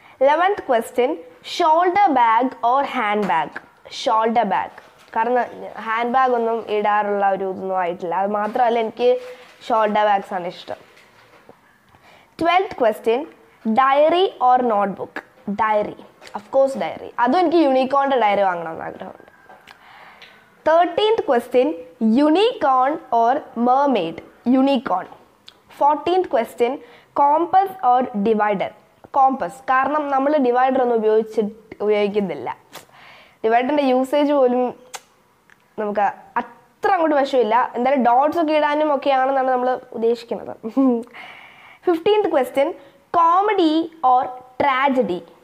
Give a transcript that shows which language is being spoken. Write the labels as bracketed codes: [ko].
[en] Eleventh question, shoulder bag or hand bag? Shoulder bag. [ml] കാരണം hand bag ഒന്നും ഇടാറുള്ള ഒരു ഇതൊന്നും ആയിട്ടില്ല, അത് മാത്രമല്ല എനിക്ക് ഷോൾഡർ ബാഗ്സ് ആണ് ഇഷ്ടം. [en] Twelfth question, diary or notebook? Diary, of course diary. [ml] അതും എനിക്ക് യൂണിക്കോണിൻ്റെ ഡയറി വാങ്ങണമെന്ന് ആഗ്രഹമുണ്ട്. [en] 13th question, unicorn or mermaid? Unicorn. 14th question, compass or divider? Compass. [ml] കാരണം നമ്മൾ ഡിവൈഡർ ഒന്നും ഉപയോഗിക്കുന്നില്ല, ഡിവൈഡറിൻ്റെ യൂസേജ് പോലും നമുക്ക് അത്ര അങ്ങോട്ട് വശമില്ല, എന്തായാലും ഡോട്ട്സ് ഒക്കെ ഇടാനും ഒക്കെയാണെന്നാണ് നമ്മൾ ഉദ്ദേശിക്കുന്നത്. [en] 15th question, comedy or tragedy?